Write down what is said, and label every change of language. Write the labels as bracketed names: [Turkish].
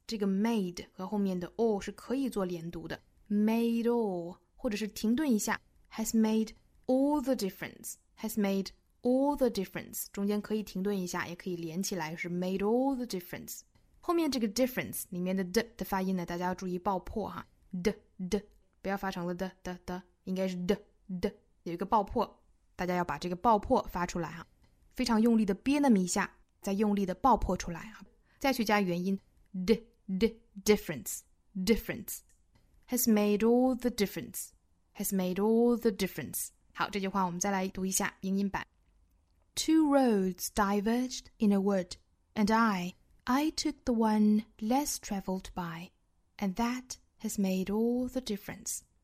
[Chinese] 这个 made 和后面的 all 是可以做连读的。Made all, 或者是停顿一下 [English] has made all the difference [Chinese] 中间可以停顿一下，也可以连起来，是 [English] made all the difference。 [Chinese] 后面这个 difference 里面的 d 的发音呢，大家要注意爆破哈， d 不要发成了 d 应该是 d 有一个爆破，大家要把这个爆破发出来哈，非常用力的憋那么一下，再用力的爆破出来哈。再去加元音 [English] d d difference difference has made all the difference has made all the difference. [Chinese] 好，这句话我们再来读一下英音版。 [English] Two roads diverged in a wood, and I took the one less traveled by, and that has made all the difference.